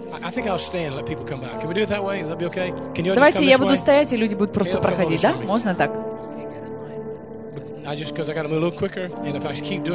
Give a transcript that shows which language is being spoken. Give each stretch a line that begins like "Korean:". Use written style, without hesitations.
English: I think I'll stand and let people come back. Can we do it that way? Will that be okay? Can you all just this way?
Russian: Давайте я буду стоять, и люди будут просто проходить, да? Можно так?
English: I just because I got to move a little quicker, and if I keep doing,